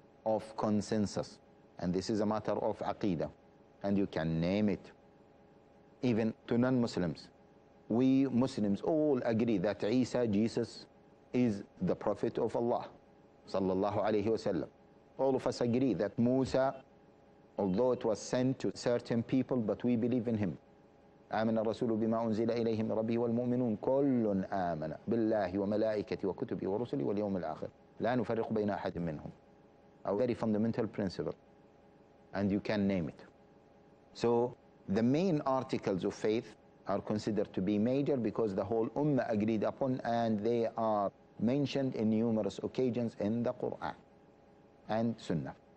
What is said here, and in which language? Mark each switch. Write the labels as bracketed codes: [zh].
[en] of consensus, and this is a matter of aqeedah, and you can name it even to non-Muslims. We Muslims all agree that Isa, Jesus, is the Prophet of Allah, sallallahu alayhi wasallam. All of us agree that Musa, although it was sent to certain people, but we believe in him. [ar] آمن الرسول بما أنزل إليه من ربه والمؤمنون كل آمن بالله وملائكته وكتبه ورسله واليوم الآخر لا نفرق بين أحد منهم. [en] A very fundamental principle, and you can name it. So the main articles of faith are considered to be major because the whole ummah agreed upon, and they are mentioned in numerous occasions in the Quran and Sunnah.